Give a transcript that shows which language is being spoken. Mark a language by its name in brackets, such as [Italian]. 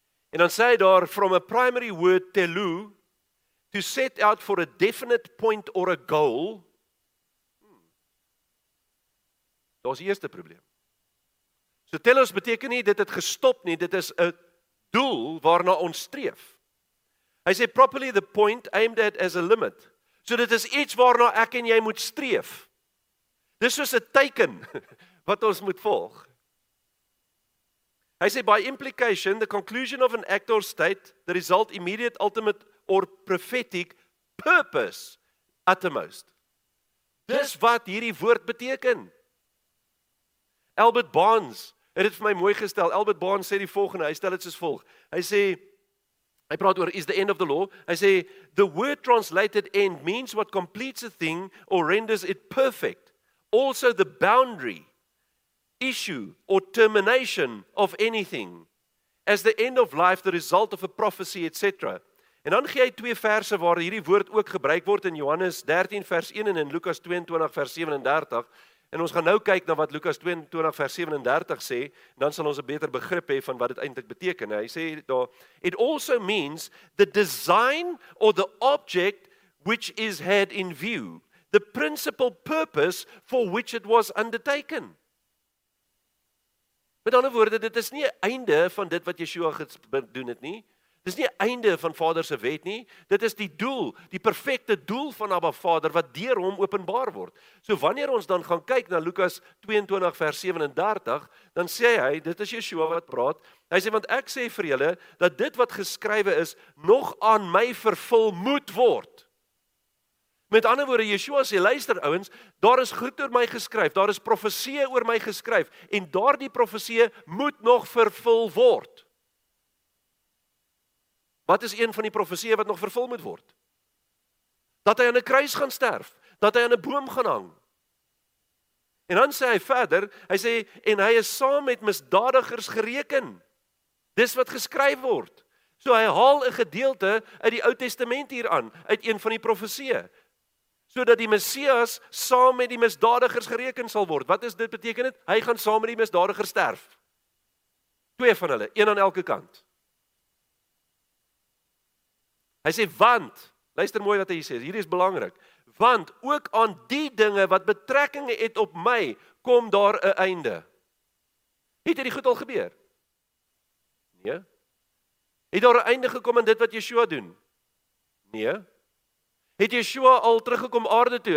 [Afrikaans] En dan sê hy daar, [English] from a primary word telou, to set out for a definite point or a goal. [Afrikaans] Dit is die eerste probleem. So telos beteken nie, dit het gestop nie, dit is 'n doel waarna ons streef. Hy sê, [English] properly the point aimed at as a limit. [Afrikaans] So dit is iets waarna ek en jy moet streef. Dis soos 'n teken wat ons moet volg. Hy sê, [English] by implication, the conclusion of an act or state, the result immediate, ultimate, or prophetic purpose, uttermost. [Afrikaans] Dis wat hierdie woord beteken. Albert Barnes het dit vir my mooi gestel. Albert Barnes sê die volgende, hy stel dit soos volg. Hy sê, hy praat oor, [English] is the end of the law. [Afrikaans] Hy sê, [English] the word translated end means what completes a thing or renders it perfect. Also the boundary, issue or termination of anything. As the end of life, the result of a prophecy, etc. [Afrikaans] En dan gee hy twee verse waar hierdie woord ook gebruik word in Johannes 13 vers 1 en in Lukas 22 vers 37. En ons gaan nou kyk na wat Lukas 22 vers 37 sê, dan sal ons 'n beter begrip hê van wat dit eintlik beteken. Hy sê daar, [English] it also means the design or the object which is had in view, the principal purpose for which it was undertaken. [Afrikaans] Met ander woorde, dit is nie 'n einde van dit wat Yeshua gedoen het nie. Dit is nie einde van Vader se wet nie, dit is die doel, die perfekte doel van Abba Vader, wat deur hom openbaar word. So wanneer ons dan gaan kyk na Lukas 22 vers 37, dan sê hy, dit is Yeshua wat praat, hy sê, want ek sê vir julle, dat dit wat geskrywe is, nog aan my vervul moet word. Met ander woorde, Yeshua sê, luister ouwens, daar is goed oor my geskryf, daar is profesie oor my geskryf, en daar die profesie moet nog vervul word. Wat is een van die profesieë wat nog vervul moet word? Dat hy aan 'n kruis gaan sterf, dat hy aan 'n boom gaan hang. En dan sê hy verder, hy sê, en hy is saam met misdadigers gereken. Dis wat geskryf word. So hy haal 'n gedeelte uit die Ou Testament hier aan, uit een van die profesieë, sodat die Messias saam met die misdadigers gereken sal word. Wat is dit beteken dit? Hy gaan saam met die misdadigers sterf. Twee van hulle, een aan elke kant. Hy sê, want, luister mooi wat hy sê, hier is belangrik, want ook aan die dinge wat betrekking het op my, kom daar 'n einde. Het hierdie goed al gebeur? Nee. Het daar 'n einde gekom aan dit wat Yeshua doen? Nee. Het Yeshua al teruggekom aarde toe?